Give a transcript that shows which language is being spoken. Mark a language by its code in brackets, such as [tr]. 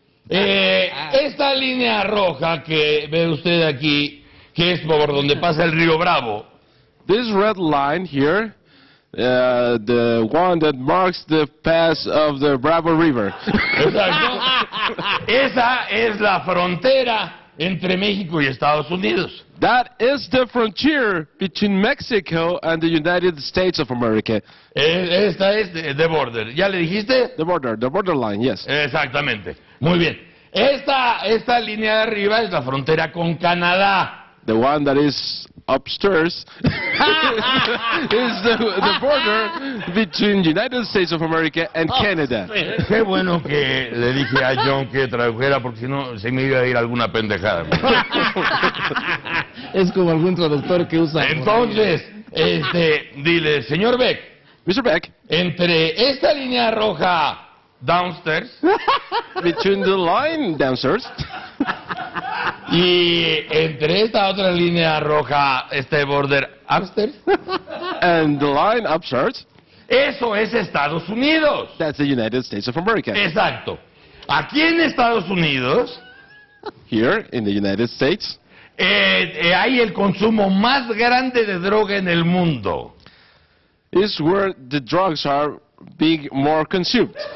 [es] Esta línea roja que ve usted aquí, que es por donde pasa el río Bravo. [en] This red line here The one that marks the pass of the Bravo River. [es] Exacto. Esa es la frontera entre México y Estados Unidos. [en] That is the frontier between Mexico and the United States of America. [es] Esta es [en] the border. [es] ¿Ya le dijiste? [en] The border, the borderline, yes. [es] Exactamente. Muy bien. Esta línea de arriba es la frontera con Canadá. [en] The one that is upstairs is the border between United States of America and Canada. [es] Qué bueno que le dije a John que tradujera, porque si no se me iba a ir alguna pendejada. Es como algún traductor que usa. Entonces, dile, señor Beck. [en] Mr. Beck. [es] Entre esta línea roja [en] downstairs. Between the line downstairs. [es] Y entre esta otra línea roja, este [en] border upstairs. And the line upstairs. [es] Eso es Estados Unidos. [en] That's the United States of America. [es] Exacto. Aquí en Estados Unidos. [en] Here in the United States. [es] Hay el consumo más grande de droga en el mundo. [en] It's where the drugs are big, more consumed.